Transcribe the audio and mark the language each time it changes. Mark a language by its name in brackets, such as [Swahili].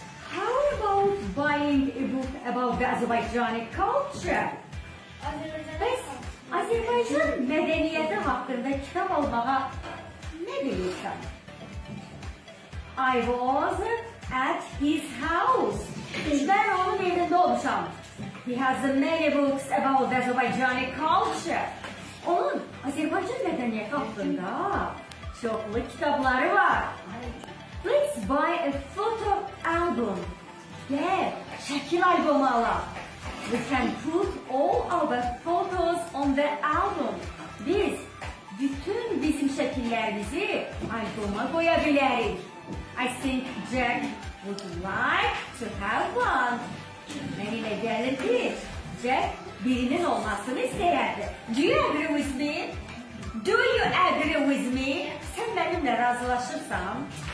[English] How about buying a book about the Azerbaijani culture? [Azerbaijani] Bəs Azərbaycan mədəniyyəti haqqında kitab almağa nə deyirsən? [English] I was at his house. [Azerbaijani] Mən onun evində olmuşam. [English] He has many books about the Azerbaijani culture. [Azerbaijani] Onun Azərbaycan mədəniyyəti haqqında çoxlu kitabları var. [English] Let's buy a photo album. [Azerbaijani] Gəl, şəkil albomu alaq. [English] We can put all our photos on the album. [Azerbaijani] Biz bütün bizim şəkillərimizi albuma qoya bilərik. [English] I think Jack would like to have one. [Azerbaijani] Mən ilə gəlir ki, Jack birinin olmasını istəyərdi. [English] Do you agree with me? Do you agree with me? [Azerbaijani] Sən mənimlə razılaşırsam?